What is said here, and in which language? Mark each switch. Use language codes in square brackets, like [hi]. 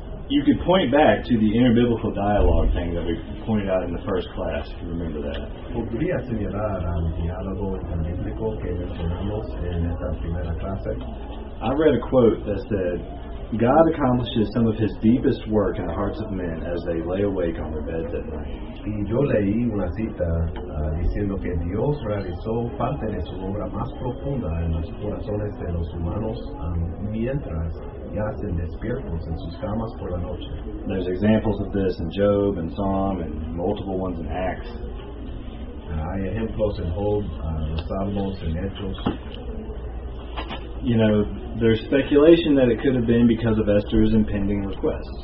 [en] You could point back to the interbiblical dialogue thing that we pointed out in the first class, if you remember that. [es] ¿Podría señalar al diálogo interbíblico que mencionamos en esta primera clase? [en] I read a quote that said, God accomplishes some of his deepest work in the hearts of men as they lay awake on their beds at night. [es] Y yo leí una cita diciendo que Dios realizó parte de su obra más profunda en los corazones de los humanos mientras yacen despiertos en sus camas por la noche. [en] There's examples of this in Job and Psalm and multiple ones in Acts. [es] Hay ejemplos en Job, los Salmos, en Hechos. [en] You know, there's speculation that it could have been because of Esther's impending request.